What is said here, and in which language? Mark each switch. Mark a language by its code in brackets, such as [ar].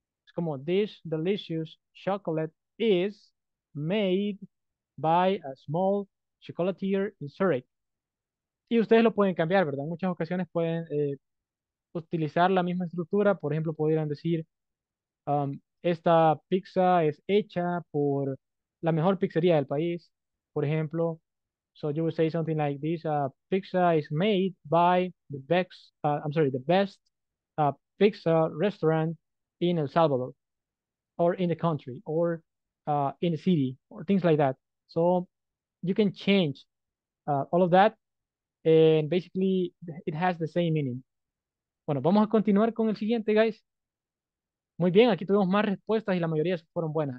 [es] Es como, [en] this delicious chocolate is made by a small chocolatier in Zurich. [es] Y ustedes lo pueden cambiar, ¿verdad? En muchas ocasiones pueden utilizar la misma estructura. Por ejemplo, podrían decir, esta pizza es hecha por la mejor pizzería del país, por ejemplo. [en] So you would say something like this, pizza is made by the best pizza restaurant in El Salvador, or in the country, or in the city, or things like that. So you can change all of that, and basically it has the same meaning. [es] Bueno, vamos a continuar con el siguiente, guys. Muy bien, aquí tuvimos más respuestas y la mayoría fueron buenas.